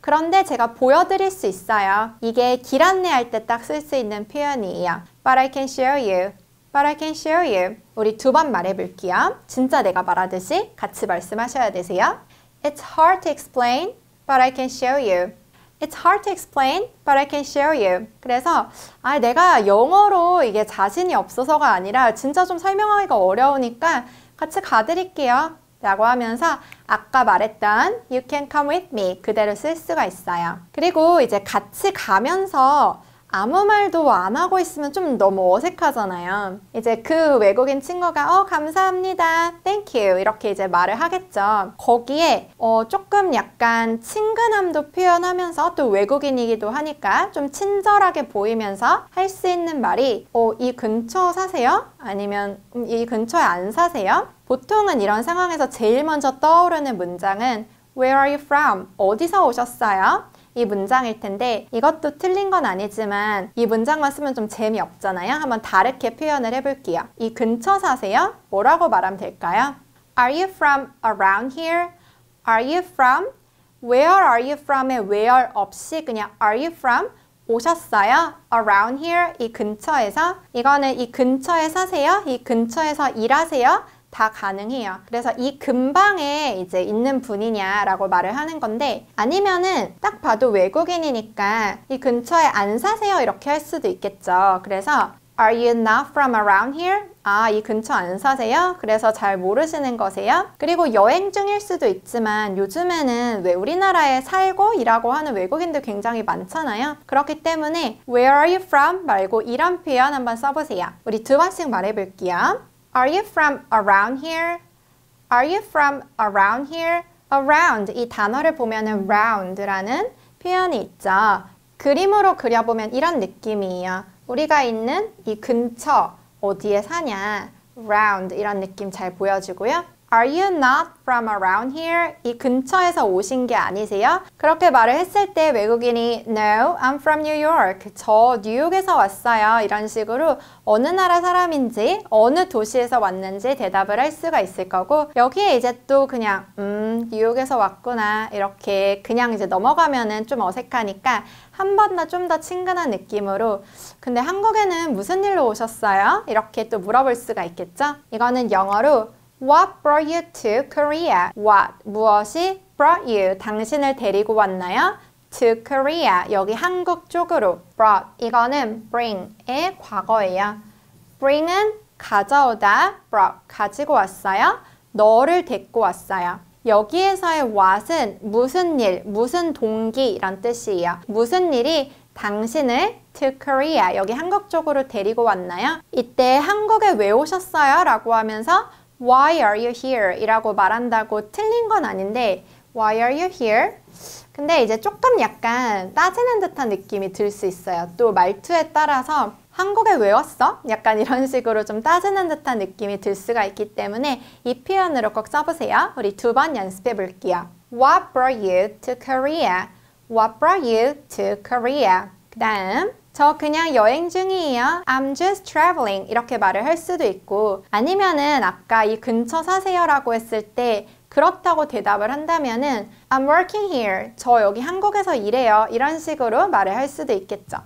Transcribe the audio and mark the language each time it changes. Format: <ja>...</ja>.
<ko>그런데 제가 보여드릴 수 있어요. 이게 길 안내할 때딱쓸수 있는 표현이에요.</ko> <en>But I can show you. But But I can show you.</en> <ko>우리 두 번 말해볼게요. 진짜 내가 말하듯이 같이 말씀하셔야 되세요.</ko> <en>It's hard to explain, but I can show you. It's hard to explain, but I can show you.</en> <ko>그래서 아, 내가 영어로 이게 자신이 없어서가 아니라 진짜 좀 설명하기가 어려우니까 같이 가드릴게요. 라고 하면서 아까 말했던</ko> <en>You can come with me</en> <ko>그대로 쓸 수가 있어요. 그리고 이제 같이 가면서 아무 말도 안 하고 있으면 좀 너무 어색하잖아요. 이제 그 외국인 친구가 감사합니다.</ko> <en>Thank you.</en> <ko>이렇게 이제 말을 하겠죠. 거기에 조금 약간 친근함도 표현하면서 또 외국인이기도 하니까 좀 친절하게 보이면서 할 수 있는 말이 이 근처 사세요? 아니면 이 근처에 안 사세요? 보통은 이런 상황에서 제일 먼저 떠오르는 문장은</ko> <en>Where are you from?</en> <ko>어디서 오셨어요? 이 문장일 텐데 이것도 틀린 건 아니지만 이 문장만 쓰면 좀 재미없잖아요. 한번 다르게 표현을 해볼게요. 이 근처 사세요? 뭐라고 말하면 될까요?</ko> <en>Are you from around here? Are you from? Where are you from? 의 where</en> <ko>없이 그냥</ko> <en>Are you from?</en> <ko>오셨어요?</ko> <en>Around here?</en> <ko>이 근처에서? 이거는 이 근처에 사세요? 이 근처에서 일하세요? 다 가능해요. 그래서 이 근방에 이제 있는 분이냐라고 말을 하는 건데 아니면은 딱 봐도 외국인이니까 이 근처에 안 사세요 이렇게 할 수도 있겠죠.</ko> <en>그래서 Are you not from around here?</en> <ko>아, 이 근처 안 사세요? 그래서 잘 모르시는 거세요? 그리고 여행 중일 수도 있지만 요즘에는 왜 우리나라에 살고 일하고 하는 외국인들 굉장히 많잖아요.</ko> <en>그렇기 때문에 Where are you from?</en> <ko>말고 이런 표현 한번 써보세요. 우리 두 번씩 말해볼게요.</ko> <en>Are you from around here? Are you from around here?</en> <ko>Around 이 단어를 보면은 round라는 표현이 있죠. 그림으로 그려보면 이런 느낌이에요. 우리가 있는 이 근처 어디에 사냐? Round 이런 느낌 잘 보여주고요.</ko> <en>Are you not from around here?</en> <ko>이 근처에서 오신 게 아니세요? 그렇게 말을 했을 때 외국인이</ko> <en>No, I'm from New York.</en> <ko>저 뉴욕에서 왔어요. 이런 식으로 어느 나라 사람인지 어느 도시에서 왔는지 대답을 할 수가 있을 거고 여기에 이제 또 그냥 뉴욕에서 왔구나 이렇게 그냥 이제 넘어가면은 좀 어색하니까 한 번 더 좀 더 친근한 느낌으로 근데 한국에는 무슨 일로 오셨어요? 이렇게 또 물어볼 수가 있겠죠? 이거는 영어로</ko> <en>What brought you to Korea? What?</en> <ko>무엇이</ko> <en>brought you?</en> <ko>당신을 데리고 왔나요?</ko> <en>To Korea.</en> <ko>여기 한국 쪽으로. Brought. 이거는 bring의 과거예요. Bring은 가져오다. Brought. 가지고 왔어요. 너를 데리고 왔어요. 여기에서의 what은 무슨 일, 무슨 동기란 뜻이에요. 무슨 일이 당신을 to Korea. 여기 한국 쪽으로 데리고 왔나요? 이때 한국에 왜 오셨어요? 라고 하면서</ko> <en>Why are you here?</en> <ko>이라고 말한다고 틀린 건 아닌데</ko> <en>Why are you here?</en> <ko>근데 이제 조금 약간 따지는 듯한 느낌이 들 수 있어요. 또 말투에 따라서 한국에 왜 왔어? 약간 이런 식으로 좀 따지는 듯한 느낌이 들 수가 있기 때문에 이 표현으로 꼭 써보세요. 우리 두 번 연습해 볼게요. What brought you to Korea? What brought you to Korea? 그 다음 저 그냥 여행 중이에요.</ko> <en>I'm just traveling.</en> <ko>이렇게 말을 할 수도 있고 아니면은 아까 이 근처 사세요 라고 했을 때 그렇다고 대답을 한다면은</ko> <en>I'm working here.</en> <ko>저 여기 한국에서 일해요. 이런 식으로 말을 할 수도 있겠죠.</ko>